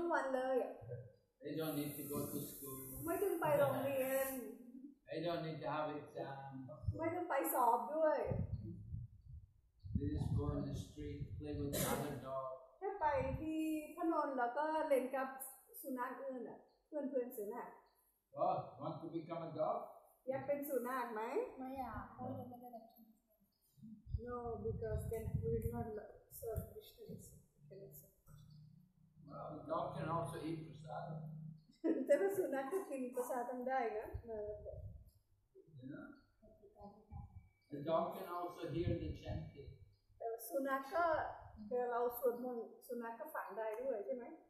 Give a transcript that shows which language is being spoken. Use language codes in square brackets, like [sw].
[en] They don't need to go to school. They don't need to have exams. They just go in the street, play with another dog. [th] แค่ไปที่ถนนแล้วก็เล่นกับสุนัขอื่นอ่ะเพื่อนๆสุนัข [en] Oh, want to become a dog? [th] อยากเป็นสุนัขไหม ไม่อยากเพราะยังไม่ได้รับชั้น [en] No because can we not serve Krishna can serve Well, the dog can also eat prasadam. [th] แต่ว่าสุนัขก็กินprasadamได้นะ [en] The dog can also hear the chanting. [th] สุนัขก็เราสวดมนต์สุนัขก็ฟังได้ด้วยใช่ไหม